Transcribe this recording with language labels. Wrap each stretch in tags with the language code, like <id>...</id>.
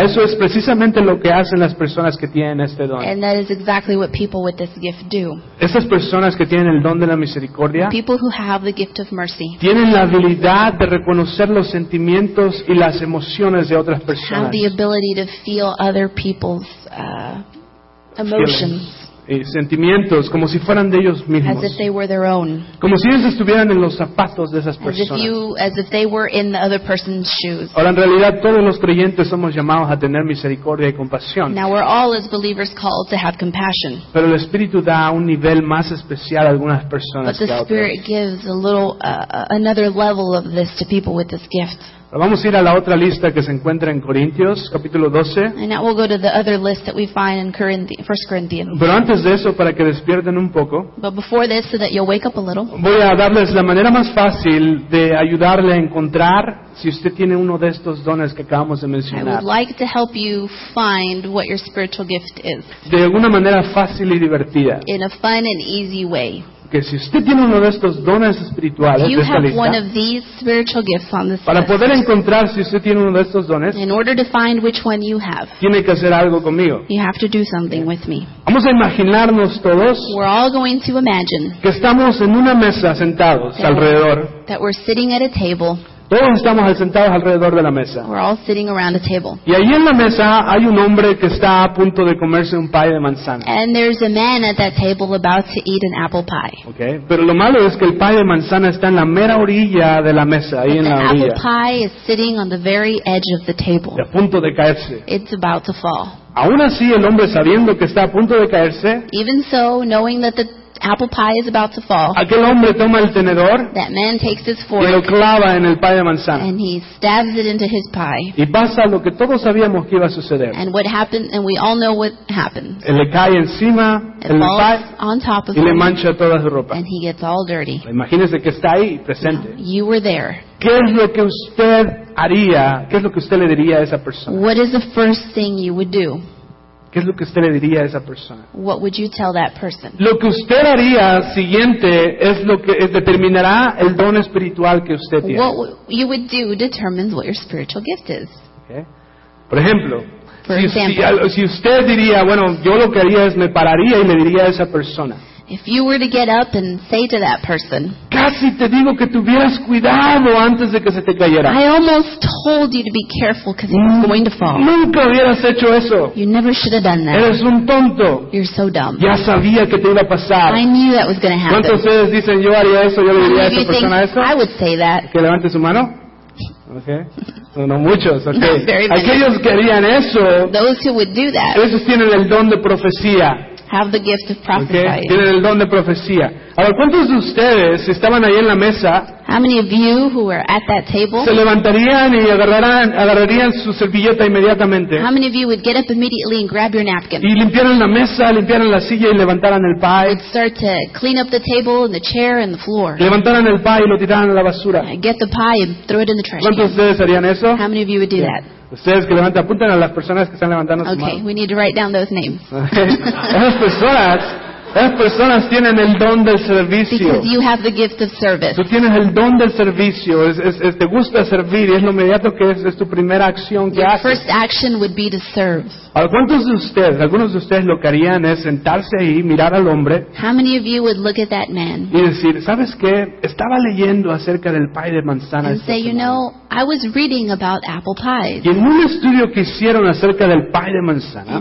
<es>Eso es precisamente lo que hacen las personas que tienen este don.</es> <en>And that is exactly what people with this gift do.</en> <es>Esas personas que tienen el don de la misericordia,</es> <en>people who have the gift of mercy,</en> <es>tienen la habilidad de reconocer los sentimientos y las emociones de otras personas.</es> <en>Have the ability to feel other people's emotions.</en> <es>Y sentimientos, como si fueran de ellos mismos.</es> <en>As if they were their own.</en> <es>Como si ellos estuvieran en los zapatos de esas personas.</es> <en>As if they were in the other person's shoes.</en> <es>Ahora, en realidad, todos los creyentes somos llamados a tener misericordia y compasión.</es> <en>Now, we're all as believers called to have compassion.</en> <es>Pero el Espíritu da un nivel más especial a algunas personas que a otras.</es> <en>But the Spirit gives a little another level of this to people with this gift.</en> <es>Vamos a ir a la otra lista que se encuentra en Corintios, capítulo 12.</es> <en>And now we'll go to the other list that we find in 1 Corinthians.</en> <es>Pero antes de eso, para que despierten un poco,</es> <en>but before this, so that you'll wake up a little,</en> <es>voy a darles la manera más fácil de ayudarle a encontrar si usted tiene uno de estos dones que acabamos de mencionar.</es> <en>I would like to help you find what your spiritual gift is.</en> <es>De alguna manera fácil y divertida.</es> <en>In a fun and easy way.</en> <es>Que si usted tiene uno de estos dones espirituales,</es> <en>you have</en> <es>de esta lista,</es> <en>one of these spiritual gifts on this</en> <es>para</es> <en>list,</en> <es>poder encontrar si usted tiene uno de estos dones,</es> <en>in order to find which one you have,</en> <es>tiene que hacer algo conmigo.</es> <en>You have to do something with me.</en> <es>Vamos a imaginarnos todos,</es> <en>we're all going to imagine,</en> <es>que estamos en una mesa sentados alrededor,</es> <en>that we're sitting at a table.</en> <es>Todos estamos sentados alrededor de la mesa.</es> <en>We're all sitting around a table.</en> <es>Y ahí en la mesa hay un hombre que está a punto de comerse un pie de manzana.</es> <en>And there's a man at that table about to eat an apple pie. Okay.</en> <es>Pero lo malo es que el pie de manzana está en la mera orilla de la mesa, ahí en la orilla.</es> <en>The apple pie is sitting on the very edge of the table.</en> <es>Y a punto de caerse.</es> <en>It's about to fall.</en> <es>Aún así, el hombre sabiendo que está a punto de caerse,</es> <en>even so, knowing that the apple pie is about to fall.</en> <es>Aquel hombre toma el tenedor,</es> <en>that man takes his fork,</en> <es>y lo clava en el pie de manzana,</es> <en>and he stabs it into his pie.</en> <es>Y pasa lo que todos sabíamos que iba a suceder.</es> <en>And what happened? And we all know what happens.</en> <es>Él le cae encima,</es> <en>it</en> <es>el</es> <en>falls</en> <es>pie,</es> <en>on top of</en> <es>y le mancha toda su ropa.</es> <en>And he gets all dirty.</en> <es>Imagínese que está ahí presente.</es> <en>Now, you were there.</en> <es>¿Qué es lo que usted haría? ¿Qué es lo que usted le diría a esa persona?</es> <en>What is the first thing you would do?</en> <es>¿Qué es lo que usted le diría a esa persona?</es> <en>What would you tell that person?</en> <es>Lo que usted haría siguiente es lo que determinará el don espiritual que usted tiene.</es> <en>What you would do determines what your spiritual gift is.</en> <es>Okay. Por ejemplo,</es> <en>For example,</en> <es>si usted diría, bueno, yo lo que haría es me pararía y le diría a esa persona.</es> <en>If you were to get up and say to that person,</en> <es>casi te digo que tuvieras cuidado antes de que se te cayera.</es> <en>I almost told you to be careful because it was going to fall.</en> <es>Nunca hubieras hecho eso.</es> <en>You never should have done that.</en> <es>Eres un tonto.</es> <en>You're so dumb.</en> <es>Ya sabía que te iba a pasar.</es> <en>I knew that was going to happen.</en> <es>¿Cuántos de ustedes dicen yo haría eso, yo le diría a esa persona eso?</es> <en>I would say that.</en> <es>Que levante su mano. Okay. No muchos, okay.</es> <en>Not very many.</en> <es>Aquellos que harían eso,</es> <en>those who would do that,</en> <es>esos tienen el don de profecía.</es> <en>have the gift of prophesying.</en> <es>Okay. Tienen el don de profecía. Ahora, ¿cuántos de ustedes estaban ahí en la mesa?</es> <en>How many of you who were at that table?</en> <es>Se levantarían y agarrarían su servilleta inmediatamente.</es> <en>How many of you would get up immediately and grab your napkin?</en> <es>Y limpiaran la mesa, limpiaran la silla y levantaran el pie.</es> <en>Would start to clean up the table and the chair and the floor.</en> <es>Levantaran el pie y lo tiraran a la basura.</es> <en>Get the pie and throw it in the trash.</en> <es>¿Cuántos de ustedes harían eso?</es> <en>How many of you would do that?</en> <es>Ustedes que levanten, apunten a las personas que están levantando su mano.</es> <en>Okay, we need to write down those names.</en> <es>Esas personas tienen el don del servicio.</es> <en>Because you have the gift of service.</en> <es>Tú tienes el don del servicio. Es te gusta servir y es lo inmediato que es tu primera acción que haces.</es> <en>Your first action would be to serve.</en> <es>Algunos de ustedes lo que harían es sentarse ahí, mirar al hombre.</es> <en>How many of you would look at that man?</en> <es>Y decir, ¿sabes qué? Estaba leyendo acerca del pie de manzana.</es> <en>And say, you know, I was reading about apple pies.</en> <es>Y en un estudio que hicieron acerca del pie de manzana.</es>